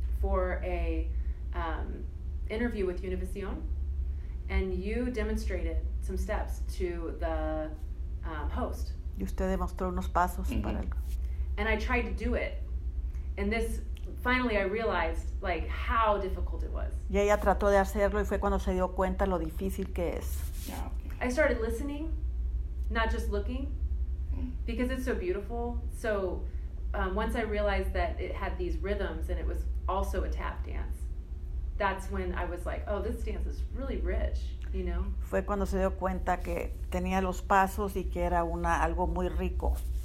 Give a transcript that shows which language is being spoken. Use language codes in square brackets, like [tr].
[en] for a interview with Univision. And you demonstrated some steps to the host. [es] Y usted demostró unos pasos mm-hmm. para el... [en] And I tried to do it. And this, finally I realized, like, how difficult it was. [es] Y ella trató de hacerlo y fue cuando se dio cuenta lo difícil que es. [en] Yeah. I started listening, not just looking, because it's so beautiful. So once I realized that it had these rhythms and it was also a tap dance, that's when I was like, oh, this dance is really rich, you know? [es] Fue cuando se dio cuenta que tenía los pasos y que era una, algo muy rico.